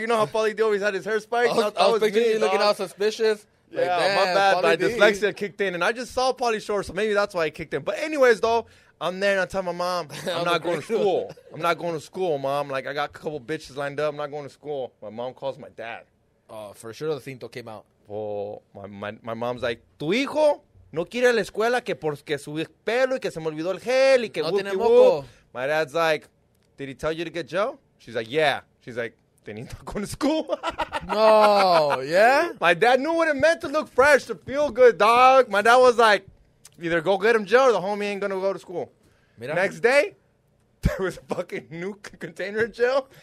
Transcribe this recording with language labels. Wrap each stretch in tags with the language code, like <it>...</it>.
<en>You know how Pauly D always had his hair spiked? I was picturing you looking all suspicious. Like, yeah, damn, my bad. My dyslexia kicked in. And I just saw Pauly Shore, so maybe that's why it kicked in. But anyways, though. I'm there, and I tell my mom, I'm not going to school. I'm not going to school, Mom. Like, I got a couple bitches lined up. I'm not going to school. My mom calls my dad. For sure the cinto came out. Well, my mom's like,</en> <es>tu hijo no quiere la escuela que porque su pelo y que se me olvidó el gel y que no tiene moco.</es> <en>My dad's like, did he tell you to get gel? She's like, yeah. She's like, then he's not going to school. No, yeah? My dad knew what it meant to look fresh, to feel good, dog. My dad was like, either go get him gel or the homie ain't going to go to school. Next day, there was a fucking new container of gel.</en>